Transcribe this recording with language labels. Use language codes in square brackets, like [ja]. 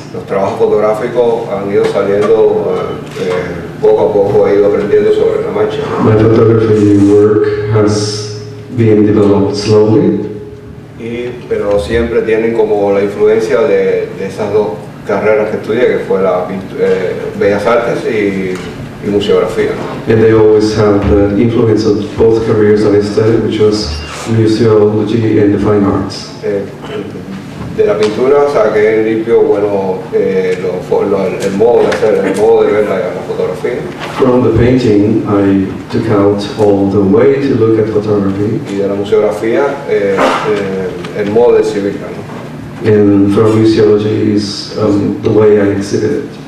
[es] Los trabajos fotográficos han ido saliendo poco a poco, he ido aprendiendo sobre la marcha. [en] My photography work has been developed slowly. [es] Y, pero siempre tienen como la influencia de esas dos carreras que estudié, que fue la Bellas Artes y museografía. [en] And they always have the influence of both careers that I studied, which was museology and the fine arts. [es] De la pintura saqué en limpio, bueno, el modo de hacer, el modo de ver la fotografía. [en] From the painting, I took out all the way to look at photography. [es] Y de la museografía, el modo de exhibir, ¿no? [en] And from museology is the way I exhibit it.